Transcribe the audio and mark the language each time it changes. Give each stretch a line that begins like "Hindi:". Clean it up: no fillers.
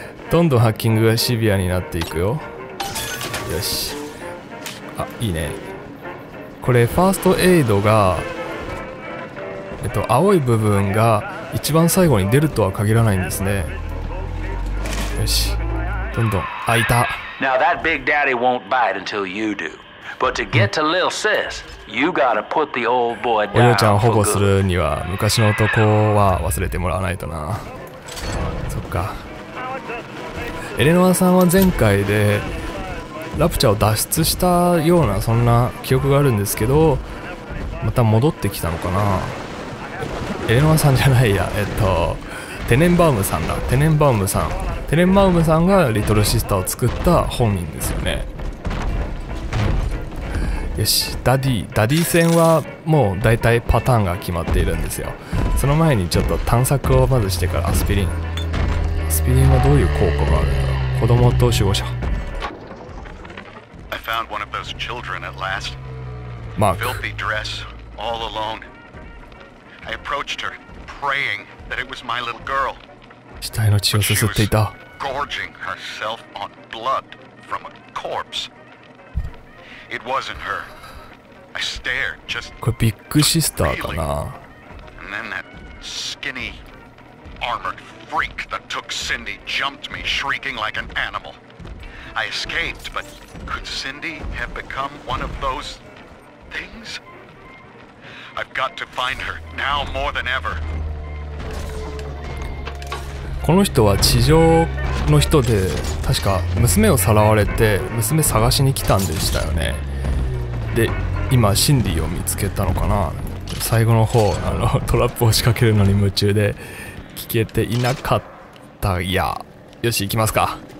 Japanese: どんどんハッキングがシビアになっていくよ。よし、あ、いいね。これファーストエイドが、青い部分が一番最後に出るとは限らないんですね。よし、どんどん開いた。
English: Now that big daddy won't bite until you do. But to get to little sis, you gotta put the old boy down.
Japanese: お嬢ちゃんを保護するには昔の男は忘れてもらわないとな。か、エレノアさんは前回でラプチャを脱出したような、そんな記憶があるんですけど、また戻ってきたのかな。エレノアさんじゃないや、テネンバウムさんだ。テネンバウムさん、テネンバウムさんがリトルシスターを作った本人ですよね。よし、ダディ戦はもうだいたいパターンが決まっているんですよ。その前にちょっと探索をまずしてから、アスピリン、スピリンはどういう効果があるんだろう。子供と守護者。
English: I found one of those children at last.
Japanese: マーク。
English: Filthy dress, all alone. I approached her, praying that it was my little girl.
Japanese: 死体の血をすすっていた。
English: Gorging herself on blood from a corpse. It wasn't her. I stared, just.
Japanese: これビッグシスターかな。
English: And then that skinny, armored. Freak that took Cindy jumped me, shrieking like an animal. I escaped, but could Cindy have become one of those things? I've got to find her now more than ever.
Japanese: この人は地上の人で、確か娘をさらわれて娘探しに来たんでしたよね。で、今シンディを見つけたのかな。最後の方、トラップを仕掛けるのに夢中で。聞けていなかったや。よし、行きますか。